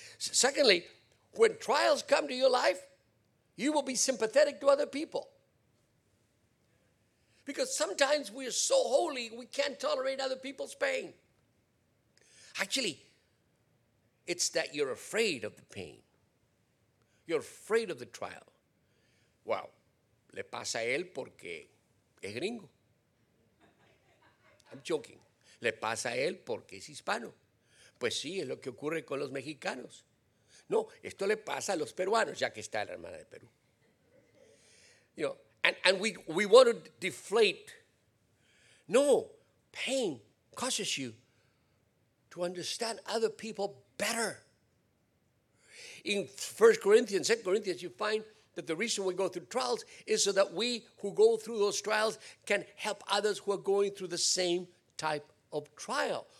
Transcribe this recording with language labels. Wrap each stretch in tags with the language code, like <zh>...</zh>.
<en>Secondly, when trials come to your life, you will be sympathetic to other people. Because sometimes we are so holy, we can't tolerate other people's pain. Actually, it's that you're afraid of the pain. You're afraid of the trial.</en> <es>Wow, le pasa a él porque es gringo.</es> <en>I'm joking.</en> <es>Le pasa a él porque es hispano. Pues sí, es lo que ocurre con los mexicanos. No, esto le pasa a los peruanos, ya que está la hermana de Perú.</es> <en>You know, and we want to deflate. No, pain causes you to understand other people better. In 1 Corinthians, 2 Corinthians, you find that the reason we go through trials is so that we who go through those trials can help others who are going through the same type of trial.</en>